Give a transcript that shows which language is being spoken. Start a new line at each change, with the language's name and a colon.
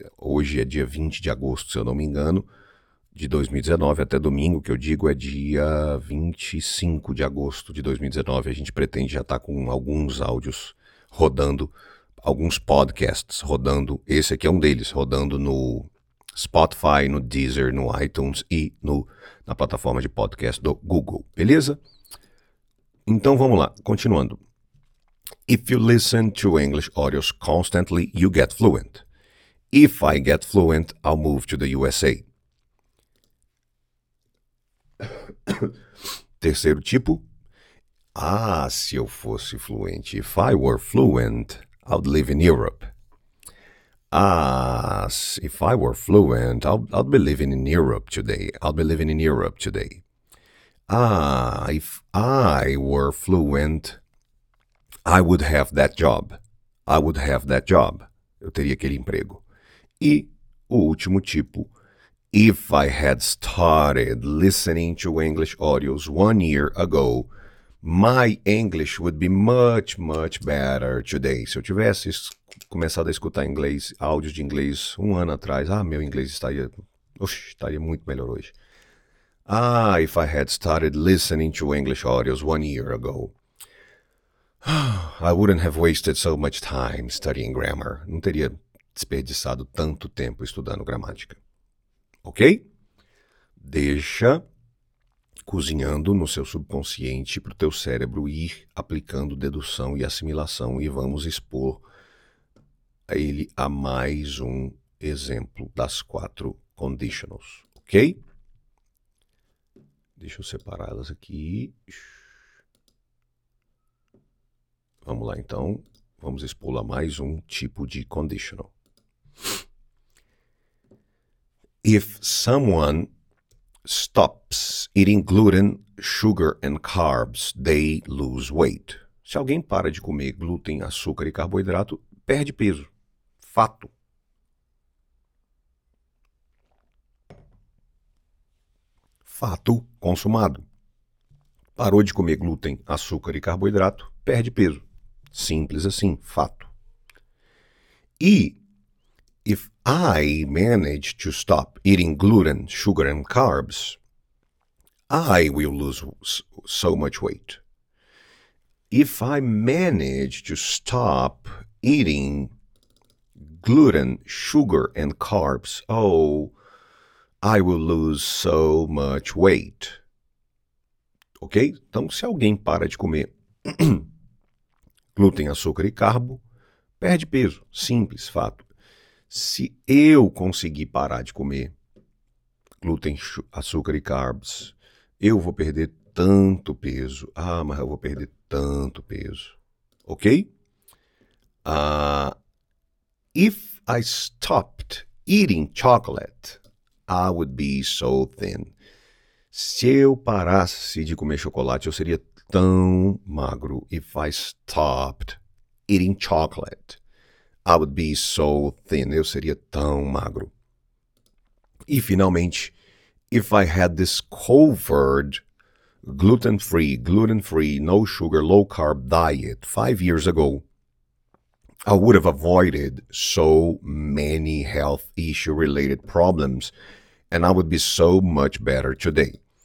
Portuguese: Hoje é dia 20 de agosto, se eu não me engano, de 2019, até domingo, que eu digo, é dia 25 de agosto de 2019, a gente pretende já estar com alguns áudios rodando, alguns podcasts rodando, esse aqui é um deles, rodando no Spotify, no Deezer, no iTunes e na plataforma de podcast do Google, beleza? Então vamos lá, continuando.
English: If you listen to English audios constantly, you get fluent. If I get fluent, I'll move to the USA.
Portuguese: Terceiro tipo. Ah, se eu fosse fluente.
English: If I were fluent, I'd live in Europe. If I were fluent, I'd be living in Europe today. I'd be living in Europe today. If I were fluent, I would have that job. I would have that job.
Portuguese: Eu teria aquele emprego. E o último tipo. If I had started listening to English audios 1 year ago, my English would be much, much better today. Se eu tivesse começado a escutar inglês, áudios de inglês 1 ano atrás, meu inglês estaria muito melhor hoje. If I had started listening to English audios 1 year ago, I wouldn't have wasted so much time studying grammar. Não teria desperdiçado tanto tempo estudando gramática. Ok? Deixa cozinhando no seu subconsciente para o teu cérebro ir aplicando dedução e assimilação e vamos expor ele a mais um exemplo das 4 conditionals, ok? Deixa eu separar elas aqui. Vamos lá, então. Vamos expor mais um tipo de conditional.
English: If someone stops eating gluten, sugar and carbs, they lose weight.
Portuguese: Se alguém para de comer glúten, açúcar e carboidrato, perde peso. Fato. Fato consumado. Parou de comer glúten, açúcar e carboidrato, perde peso. Simples assim, fato.
English: E if I manage to stop eating gluten, sugar and carbs, I will lose so much weight. If I manage to stop eating gluten, sugar and carbs, oh, I will lose so much weight. Ok?
Portuguese: Então, se alguém para de comer glúten, açúcar e carbo, perde peso. Simples fato. Se eu conseguir parar de comer glúten, açúcar e carbs, eu vou perder tanto peso. Ah, mas eu vou perder tanto peso. Ok?
English: If I stopped eating chocolate, I would be so thin.
Portuguese: Se eu parasse de comer chocolate, eu seria tão magro.
English: If I stopped eating chocolate, I would be so thin.
Portuguese: Eu seria tão magro. E finalmente,
English: if I had discovered gluten-free, no sugar, low-carb diet 5 years ago, I would have avoided so many health issue-related problems, and I would be so much better today.